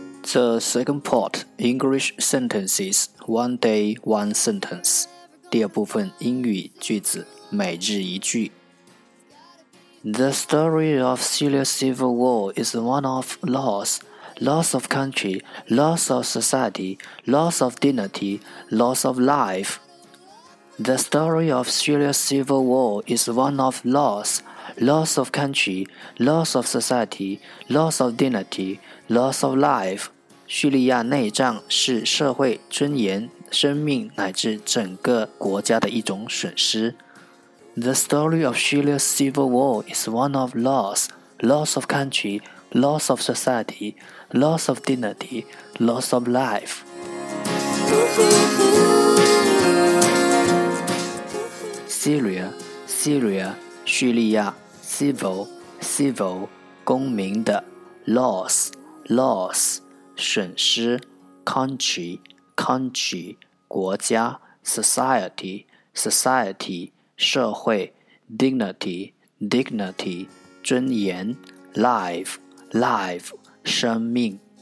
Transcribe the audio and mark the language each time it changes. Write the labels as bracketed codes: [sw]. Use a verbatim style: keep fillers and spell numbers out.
[en] The second part, English sentences, one day, one sentence. [zh] 第二部分英语句子，每日一句。 [en] The story of Syria's civil war is one of loss, loss of country, loss of society, loss of dignity, loss of life. The story of Syria's civil war is one of loss, loss of country, loss of society, loss of dignity, loss of life. [zh] 叙利亚内战是社会尊严、生命乃至整个国家的一种损失。 [en] The story of Syria's civil war is one of loss, loss of country, loss of society, loss of dignity, loss of life. 叙利亚 Syria, 叙利亚 civil, civil, 公民的 loss, loss, 损失 country, country, 国家 society, society,社会 dignity, dignity, 尊严 life, life, 生命